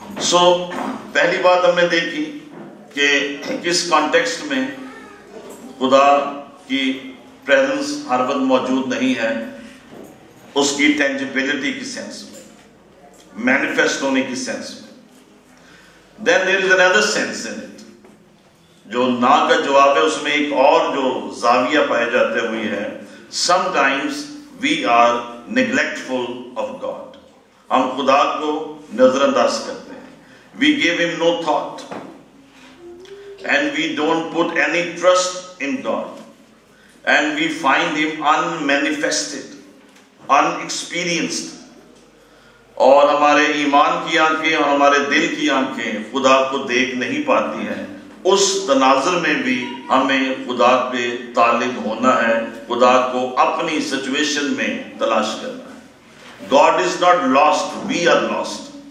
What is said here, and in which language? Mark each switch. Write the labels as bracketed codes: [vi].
[ur] سو پہلی بات ہم نے دیکھی کہ کس کانٹیکسٹ میں خدا کی پریزنس ہر وقت موجود نہیں ہے, اس کی ٹینجیبلٹی کی سینس میں, مینیفیسٹ ہونے کی سینس میں. [en] Then there is another sense in it. [ur] جو نا کا جواب ہے اس میں ایک اور جو زاویہ پائے جاتے ہوئے ہیں, [en] sometimes we are neglectful of God. [ur] ہم خدا کو نظر انداز کرتے ہیں, [en] we give him no thought and we don't put any trust in God and we find him unmanifested, unexperienced. [ur] اور ہمارے ایمان کی آنکھیں اور ہمارے دل کی آنکھیں خدا کو دیکھ نہیں پاتی ہیں. اس تناظر میں بھی ہمیں خدا پہ طالب ہونا ہے, خدا کو اپنی سچویشن میں تلاش کرنا ہے. [en] God is not lost, we are lost.